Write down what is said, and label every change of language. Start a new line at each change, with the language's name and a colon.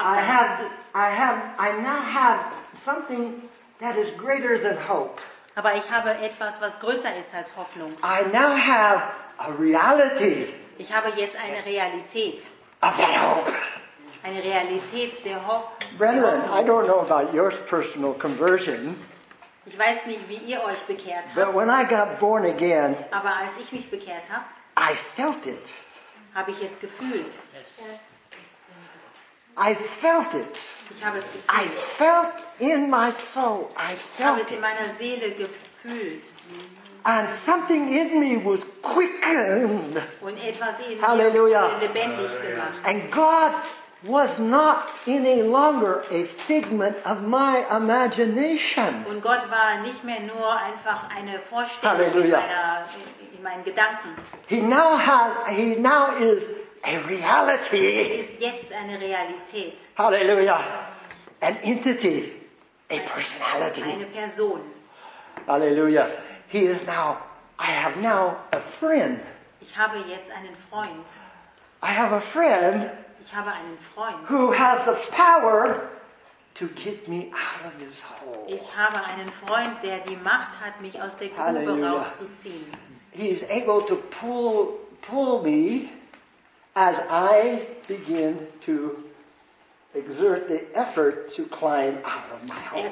English: I now have something that is greater than hope.
German: Aber ich habe etwas, was größer ist als Hoffnung.
English: I now have a reality.
German: Ich habe jetzt eine Realität.
English: Of that hope.
German: Eine Realität der Hoffnung.
English: Brethren, I don't know about your personal conversion.
German: Ich weiß nicht, wie ihr euch bekehrt habt.
English: But when I got born again,
German: aber als ich mich bekehrt habe,
English: I felt it.
German: Habe ich es gefühlt.
English: I felt it.
German: Ich habe es gefühlt.
English: I felt in my soul. I felt it.
German: Ich habe es in meiner Seele gefühlt.
English: And something in me was quickened.
German: Und etwas in
English: Hallelujah.
German: Mir lebendig gemacht.
English: And God was not any longer a figment of my imagination.
German: Und Gott war nicht mehr nur einfach eine Vorstellung Hallelujah. In meinen Gedanken.
English: He now is a reality.
German: Ist jetzt eine Realität.
English: Hallelujah. An entity, a personality.
German: Eine Person.
English: Hallelujah. He is now, I have now a friend.
German: Ich habe jetzt einen Freund.
English: I have a friend.
German: Ich habe einen Freund.
English: Who has the power to get me out of this hole.
German: Ich habe einen Freund, der die Macht hat, mich aus der Grube rauszuziehen.
English: He is able to pull me as I begin to exert the effort to climb out of my hole.